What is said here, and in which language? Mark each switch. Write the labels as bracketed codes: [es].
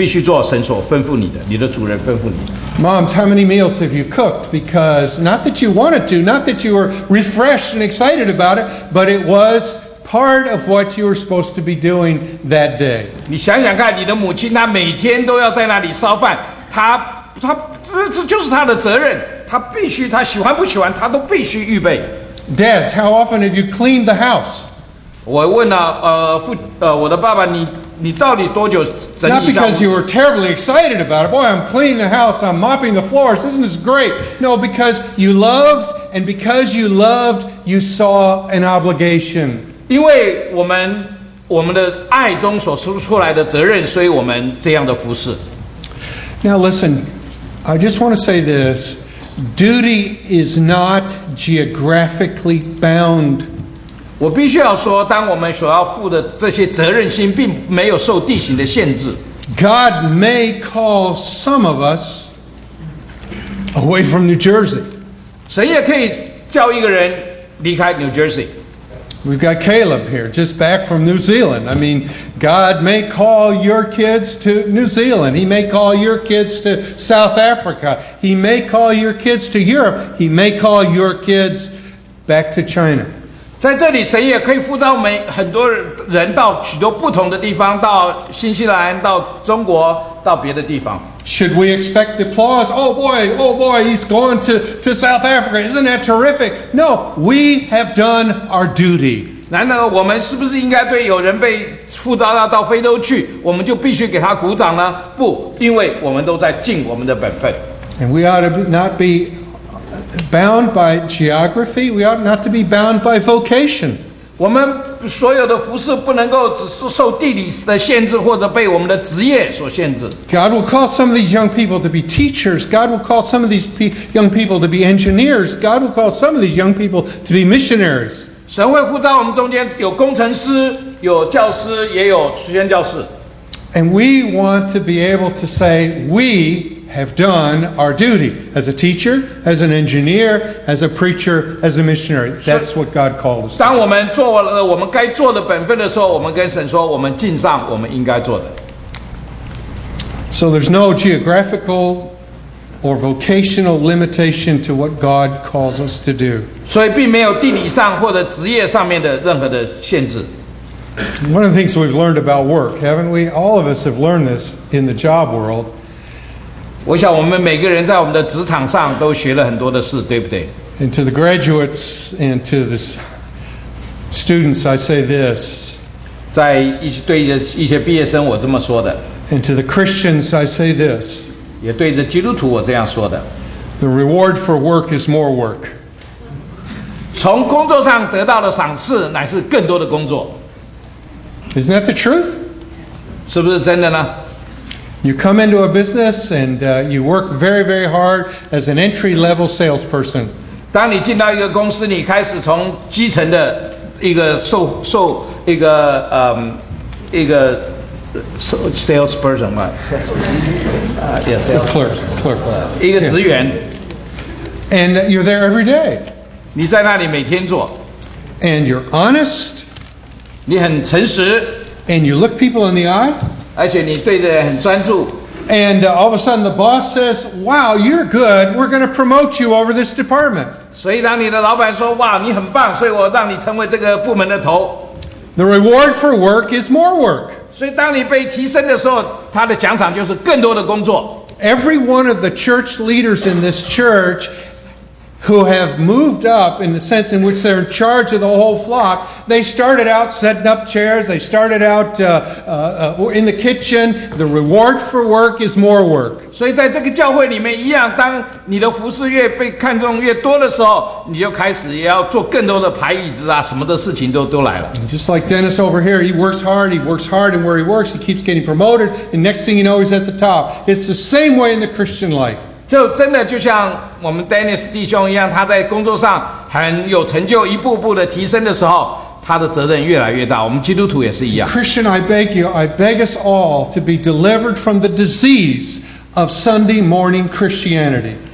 [zh] 很多的时候，我们当侍奉到一个程度，我们觉得累了，可是想要放弃了。可是这里说，神说，你必须做神所吩咐你的，你的主人吩咐你的。 [en] Moms, how many meals have you cooked? Because not that you wanted to, not that you were refreshed and excited about it, but it was part of what you were supposed to be doing that day. [zh] 你想想看，你的母亲，她每天都要在那里烧饭，她这就是她的责任，她必须，她喜欢不喜欢，她都必须预备。 [en] Dads, how often have you cleaned the house? [zh] 我问了我的爸爸，你。 [en] Not because you were terribly excited about it. Boy, I'm cleaning the house, I'm mopping the floors, isn't this great? No, because you loved, and because you loved, you saw an obligation. Now listen, I just want to say this. Duty is not geographically bound. [zh] 我必须要说，当我们所要负的这些责任心，并没有受地形的限制。 [en] God may call some of us away from New Jersey. [zh] 神也可以叫一个人离开 New Jersey. [en] We've got Caleb here, just back from New Zealand. I mean, God may call your kids to New Zealand. He may call your kids to South Africa. He may call your kids to Europe. He may call your kids back to China. [zh] 在这里，神也可以呼召我们很多人到许多不同的地方，到新西兰，到中国，到别的地方。 [en] Should we expect the applause? Oh boy, oh boy, he's going to South Africa. Isn't that terrific? No, we have done our duty. [zh] 难道我们是不是应该对有人被呼召到非洲去，我们就必须给他鼓掌呢？不，因为我们都在尽我们的本分。 [en] And we ought to not be. Bound by geography, we ought not to be bound by vocation. [zh] 我们所有的服事不能够只是受地理的限制，或者被我们的职业所限制。 [en] God will call some of these young people to be teachers. God will call some of these young people to be engineers. God will call some of these young people to be missionaries. [zh] 神会呼召我们中间有工程师，有教师，也有宣教士。 [en] And we want to be able to say we. Have done our duty as a teacher, as an engineer, as a preacher, as a missionary. That's what God called us. [zh] 当我们做了我们该做的本分的时候，我们跟神说，我们尽上我们应该做的。 [en] So there's no geographical or vocational limitation to what God calls us to do. [zh] 所以并没有地理上或者职业上面的任何的限制。 [en] One of the things we've learned about work, haven't we? All of us have learned this in the job world. [zh] 我想我们每个人在我们的职场上都学了很多的事，对不对？ [en] And to the graduates and to the students, I say this. [zh] 在一些对着一些毕业生，我这么说的。 [en] And to the Christians, I say this. [zh] 也对着基督徒，我这样说的。 [en] The reward for work is more work. [zh] 从工作上得到的赏赐乃是更多的工作。 [en] Isn't that the truth? [zh] 是不是真的呢？ [en] You come into a business and you work very, very hard as an entry-level salesperson. [zh] 当你进到一个公司，你开始从基层的一个售一个一个 salesperson 嘛， [en] clerk [zh] 一个职员。 [en] And you're there every day. [zh] 你在那里每天做。 [en] And you're honest. [zh] 你很诚实。 [en] And you look people in the eye. [zh] 而且你对着很专注。 [en] And all of a sudden the boss says, wow, you're good, we're going to promote you over this department. [zh] 所以当你的老板说，哇，你很棒，所以我让你成为这个部门的头。 [en] The reward for work is more work. [zh] 所以当你被提升的时候，他的奖赏就是更多的工作。 [en] Every one of the church leaders in this church who have moved up in the sense in which they're in charge of the whole flock, they started out setting up chairs, they started out in the kitchen, the reward for work is more work. [zh] 所以在这个教会里面一样，当你的服事越被看重越多的时候，你就开始也要做更多的排椅子啊，什么的事情都来了。 [en] Just like Dennis over here, he works hard in where he works, he keeps getting promoted, and next thing you know, he's at the top. It's the same way in the Christian life. [zh] 就真的就像我们 Dennis 弟兄一样，他在工作上很有成就，一步步的提升的时候，他的责任越来越大。我们基督徒也是一样。 [en] Christian, I beg you, I beg us all to be delivered from the disease of Sunday morning Christianity.